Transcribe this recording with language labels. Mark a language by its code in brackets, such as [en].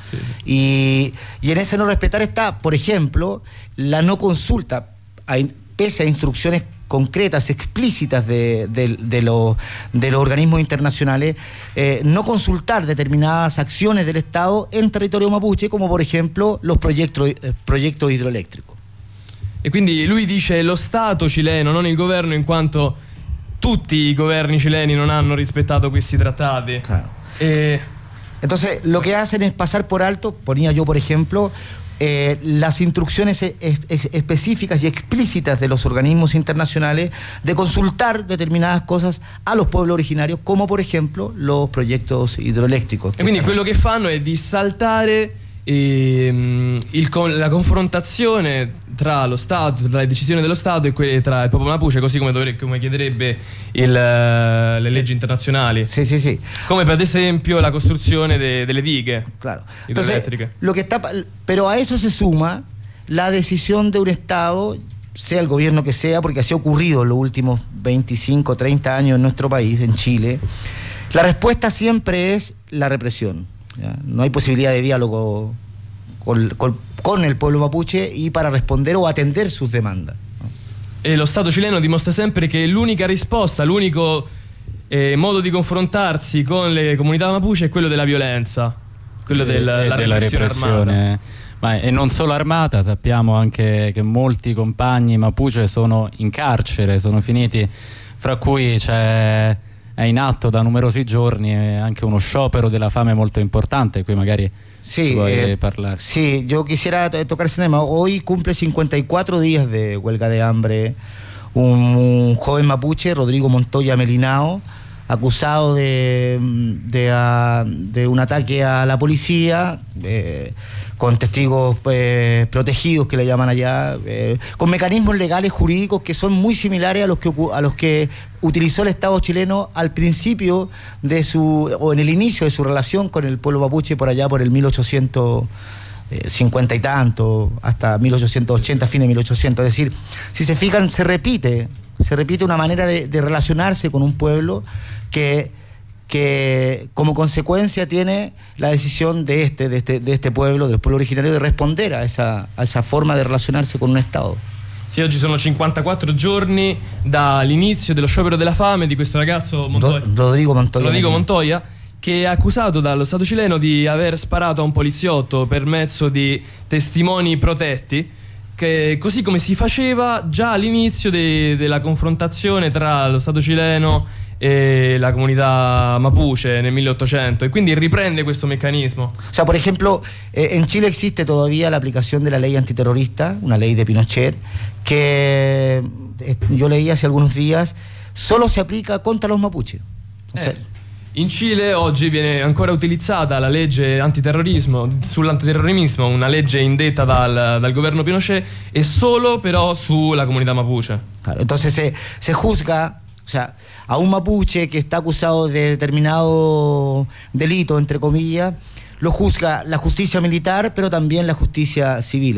[es] Sí. Y en ese no respetar está, por ejemplo, la no consulta, pese a instrucciones concretas, explícitas de los organismos internacionales, no consultar determinadas acciones del Estado en territorio mapuche, como por ejemplo los proyectos hidroeléctricos. [it] E quindi lui dice lo Stato cileno, non il governo, in quanto tutti i governi cileni non hanno rispettato questi trattati. [es] Claro. Entonces, lo que hacen es pasar por alto, ponía yo por ejemplo, las instrucciones específicas y explícitas de los organismos internacionales de consultar determinadas cosas a los pueblos originarios, como por ejemplo los proyectos hidroeléctricos. [it] E quindi quello che fanno è di saltare la confrontazione tra lo Stato, tra le decisioni dello Stato e tra il popolo mapuche, così come chiederebbe le leggi internazionali. Sì, sì, sì. Come per esempio la costruzione delle dighe. [es] Claro. [it] Idroelettriche. [es] Entonces, lo que está, pero a eso se suma la [it] decisione [es] de un Estado, sea el gobierno que sea, porque así ha ocurrido los últimos 25, 30 años en nuestro país, en Chile. La respuesta siempre es la represión. No hay posibilidad de diálogo con el pueblo mapuche y para responder o atender sus demandas. [it] E lo Stato cileno dimostra sempre che l'unica risposta, l'unico modo di confrontarsi con le comunità mapuche è quello della violenza, quello della repressione armata. Ma e non solo armata, sappiamo anche che molti compagni mapuche sono in carcere, sono finiti, fra cui c'è è in atto da numerosi giorni, è anche uno sciopero della fame molto importante, qui magari sì, ci vuoi parlare. Sì, io [es] quisiera [it] toccare il tema. Oggi [es] cumple 54 días di huelga de hambre un joven mapuche, Rodrigo Montoya Melinao, acusado de un ataque a la policía, con testigos protegidos, que le llaman allá, con mecanismos legales, jurídicos, que son muy similares a los que utilizó el Estado chileno al principio de su, o en el inicio de su relación con el pueblo mapuche, por allá por el 1850 y tanto, hasta 1880, fines de 1800. Es decir, si se fijan, se repite una manera de relacionarse con un pueblo que como consecuencia tiene la decisión de este pueblo, del pueblo originario, de responder a esa forma de relacionarse con un Estado. [it] Sì, oggi sono 54 giorni dall'inizio dello sciopero della fame di questo ragazzo Rodrigo Montoya, che è accusato dallo Stato cileno di aver sparato a un poliziotto per mezzo di testimoni protetti, che così come si faceva già all'inizio della confrontazione tra lo Stato cileno e la comunità mapuche nel 1800, e quindi riprende questo meccanismo. [es] O sea, por ejemplo, en Chile existe todavía la aplicación de la ley antiterrorista, una ley de Pinochet, que yo leí hace algunos días, solo se aplica contra los mapuches. [it] In Cile oggi viene ancora utilizzata la legge antiterrorismo, sull'antiterrorismo, una legge indetta dal governo Pinochet, e solo però sulla comunità mapuche. [es] Claro, entonces se juzga, o sea, a un mapuche que está acusado de determinado delito, entre comillas, lo juzga la justicia militar, pero también la justicia civil.